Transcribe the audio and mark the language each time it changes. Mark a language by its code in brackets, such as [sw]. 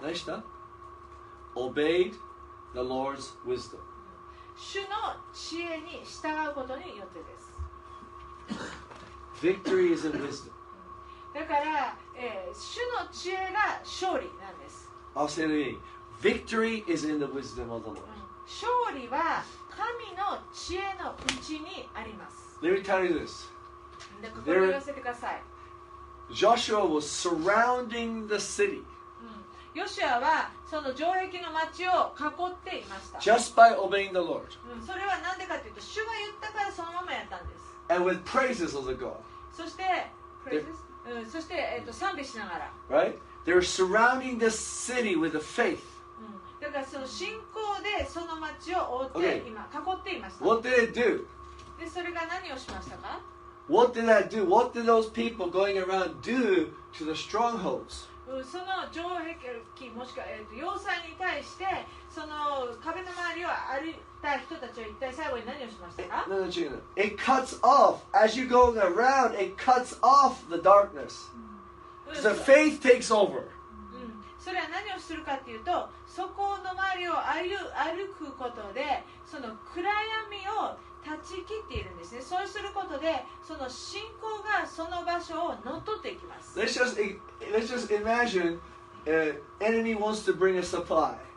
[ja] 何した？ [en] Obeyed the Lord's wisdom. [ja] 主の知恵に従うことによってです。 [en] Victory is in wisdom. [ja] だから、主の知恵が勝利なんです。 [en] I'll say it again. Victory is in the wisdom of the Lord. [ja] 勝利は神の知恵のうちにあります。 [en] Let me tell you this. [ja] ここで言わせてください。 [en] Joshua was surrounding the city. [ja] ヨシアはその城壁の町を囲っていました。 [en] Just by obeying the Lord. [ja] それはなんでかというと、主が言ったからそのままやったんです。 [en] And with praises of the God. [ja] そして、そして、賛美しながら。 [en] Right? They're surrounding the city with the faith. [ja] だからその信仰でその町を覆って今囲っていました。 [en] What did they do? [ja] で、それが何をしましたか？ [en] What did that do? What did those people going around do to the strongholds? [ja] その城壁もしくは要塞に対してその壁の周りを歩いた人たちは一体最後に何をしましたか？ [en] It cuts off. As you're going around, it cuts off the darkness. The faith takes over. [ja] それは何をするかというと、そこの周りを歩くことで、その暗闇を断ち切っているんですね。そうすることで、その信仰がその場所を乗っ取っていきます。 [en] Let's just imagine enemy wants to bring a supply.